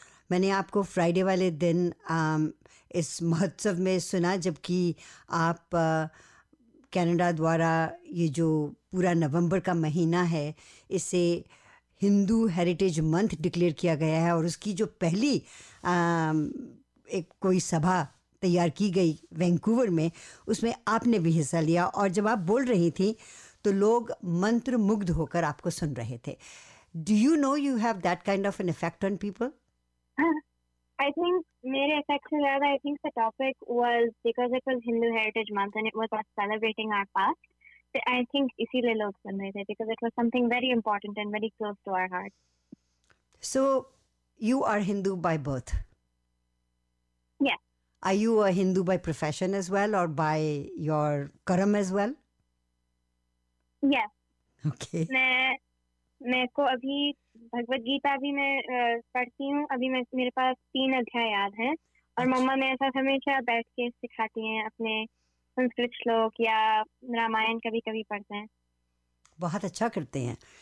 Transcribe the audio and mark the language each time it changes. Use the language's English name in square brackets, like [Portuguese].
[Hindi] मैंने आपको फ्राइडे वाले दिन इस महोत्सव में सुना, जबकि आप कनाडा द्वारा ये जो पूरा नवंबर का महीना है इसे हिंदू हेरिटेज मंथ डिक्लेयर किया गया है और उसकी जो पहली एक कोई सभा तैयार की गई वैंकूवर में उसमें आपने भी हिस्सा लिया और जब आप बोल रही थी तो लोग मंत्र मुग्ध होकर आपको सुन रहे थे. [English] Do you know you have that kind of an effect on people? I think [Hindi] mere effect se zyada, [English] I think the topic was because it was Hindu Heritage Month and it was us celebrating our past. I think [Hindi] isliye log sun rahe the [English] because it was something very important and very close to our heart. So you are Hindu by birth? Yes. Are you a Hindu by profession as well or by your karma as well? Yes. Okay. [Hindi] मैं को अभी भगवत गीता भी मैं पढ़ती हूँ. अभी मेरे पास 3 अध्याय याद हैं और मम्मा मेरे साथ हमेशा बैठ के सिखाती हैं, अपने संस्कृत श्लोक या रामायण कभी कभी पढ़ते हैं. बहुत अच्छा करते हैं.